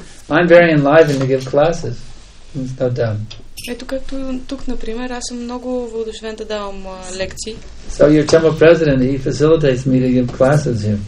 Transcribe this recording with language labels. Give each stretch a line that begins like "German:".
English: I'm very enlivened to give classes. It's no doubt.
Bulgarian: Ето както тук, например, аз съм много въодушевен да давам лекции.
English: So your temple president, he facilitates me to give classes here.